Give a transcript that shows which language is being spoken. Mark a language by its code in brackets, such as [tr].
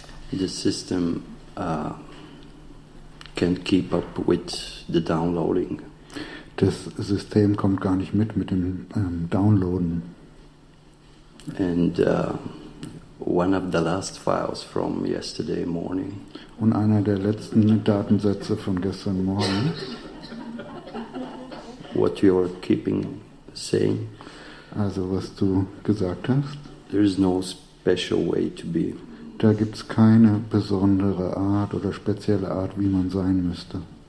[en] The system can't keep up with the downloading. [de] Das System kommt gar nicht mit dem Downloaden. [en] And one of the last files from yesterday morning. [de] Und einer der letzten Datensätze von gestern Morgen. [en] What you are keeping saying. [de] Also was du gesagt hast. [en] There is no special way to be. [de] Da gibt's keine besondere Art oder spezielle Art, wie man sein müsste.